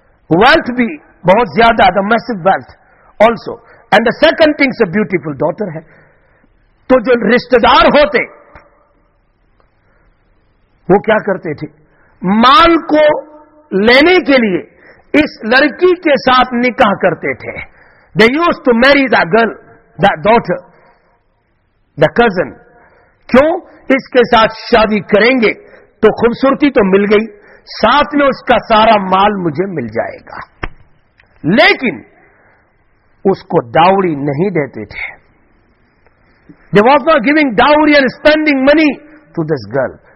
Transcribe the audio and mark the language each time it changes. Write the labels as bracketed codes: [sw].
[en] wealth [ur] بھی بہت زیادہ, [en] The میسو wealth also, and the second things a beautiful daughter ہے. [ur] تو جو رشتے دار ہوتے وہ کیا کرتے تھے, مال کو لینے کے لیے اس لڑکی کے ساتھ نکاح کرتے تھے. [en] They use to marry the girl the daughter the cousin. [ur] کیوں, اس کے ساتھ شادی کریں گے تو خوبصورتی تو مل گئی, ساتھ میں اس کا سارا مال مجھے مل جائے گا. لیکن اس کو ڈاوری نہیں دیتے تھے, [en] They was not giving dowry and spending money to this girl.